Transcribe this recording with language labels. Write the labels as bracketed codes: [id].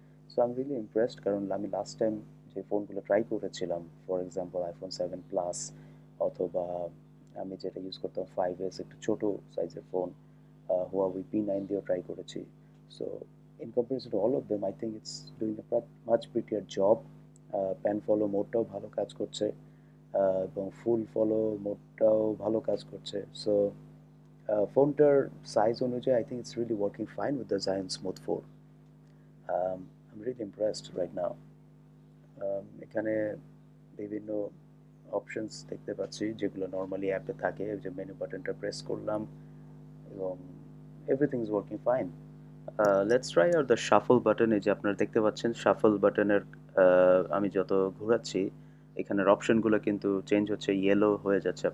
[en] so I am really impressed, [bn] কারণ আমি last time যে ফোনগুলো ট্রাই করেছিলাম, ফর এক্সাম্পল আইফোন 7 প্লাস অথবা আমি যেটা ইউজ করতাম 5S, একটু ছোটো সাইজের ফোন হুয়াওয়ে P9 দিয়েও ট্রাই করেছি। [en] So in comparison to all of them I think it's doing a much prettier job. [bn] Pan follow মোডটাও ভালো কাজ করছে, এবং ফুল ফলো মোডটাও ভালো কাজ করছে। So [en] phone size onuje, I think it's really working fine with the Zhiyun Smooth 4. I'm really impressed right now. [bn] এখানে বিভিন্ন options দেখতে পাচ্ছি যেগুলো নর্মালি অ্যাপে থাকে, যে মেনু বাটনটা প্রেস করলাম এবং [en] Everything is working fine. Let's try [bn] are the shuffle বাটনে, যে আপনারা দেখতে পাচ্ছেন শাফল বাটনের আমি যত ঘোরাচ্ছি এখানের অপশনগুলো কিন্তু চেঞ্জ হচ্ছে, ইয়েলো হয়ে যাচ্ছে।